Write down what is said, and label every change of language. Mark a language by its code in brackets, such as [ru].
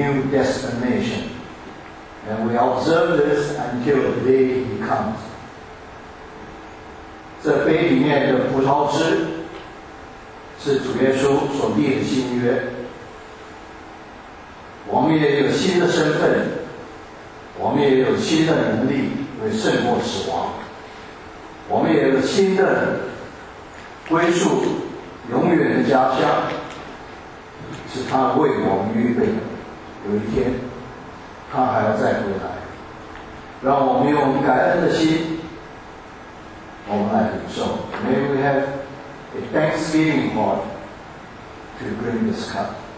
[en] And we observe this until the day he comes. [zh] 这杯里面的葡萄汁是主耶稣所立的新约。我们也有新的身份，我们也有新的能力会胜过死亡，我们也有新的归宿，永远的家乡是他为我们预备的。有一天他还要再回来，让我们用感恩的心我们来领受。 [en] May we have a thanksgiving heart to bring this cup.